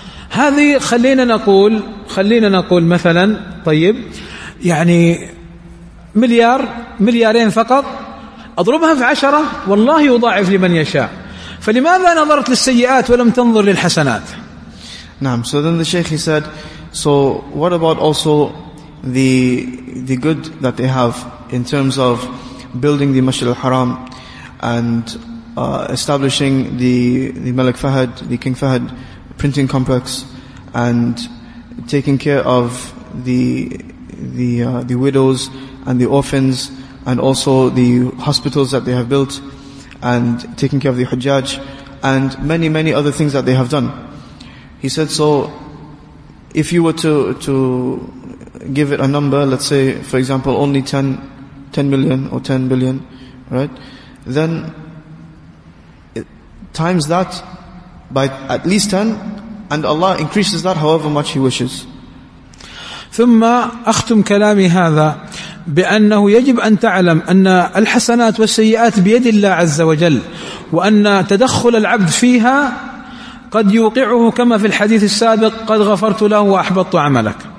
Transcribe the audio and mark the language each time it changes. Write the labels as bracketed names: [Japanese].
[Arabic] هذه خلينا نقول مثلا طيب يعني مليار مليارين فقط أضربها في عشرة والله يضاعف لمن يشاء. فلماذا نظرت للسيئات ولم تنظر للحسنات؟ نعم. [English] So then the sheikh, he said, so what about also the good that they have in terms of building the Masjid al-Haram and establishing the Malik Fahad, the King Fahad printing complex, and taking care of the widows and the orphans, and also the hospitals that they have built, and taking care of the Hujjaj, and many, many other things that they have done. He said, so if you were to give it a number, let's say, for example, only 10 million or 10 billion, right, then it, times that by at least 10, and Allah increases that however much He wishes. [Arabic] ثم أختم كلامي هذا بأنه يجب أن تعلم أن الحسنات والسيئات بيد الله عز وجل، وأن تدخل العبد فيها قد يوقعه كما في الحديث السابق قد غفرت له وأحبطت عملك.